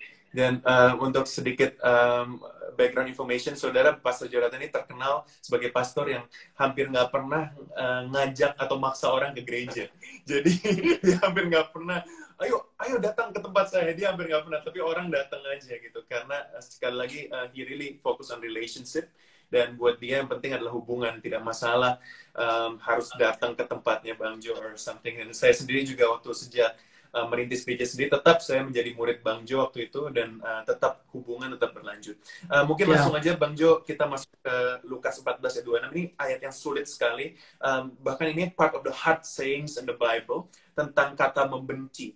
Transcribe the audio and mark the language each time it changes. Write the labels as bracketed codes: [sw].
[id] Dan untuk sedikit background information, saudara Pastor Jonathan ini terkenal sebagai pastor yang hampir nggak pernah ngajak atau maksa orang ke gereja. Jadi dia hampir nggak pernah, ayo datang ke tempat saya. Dia hampir nggak pernah, tapi orang datang aja gitu. Karena sekali lagi, [en] he really focus on relationship. [id] Dan buat dia yang penting adalah hubungan, tidak masalah harus datang ke tempatnya Bang Jo or something. Dan saya sendiri juga waktu sejak merintis PJ sendiri, tetap saya menjadi murid Bang Jo waktu itu, dan tetap hubungan tetap berlanjut. Mungkin langsung aja Bang Jo, kita masuk ke Lukas 14 ayat 26, ini ayat yang sulit sekali, bahkan ini [en] part of the hard sayings in the Bible, [id] tentang kata membenci.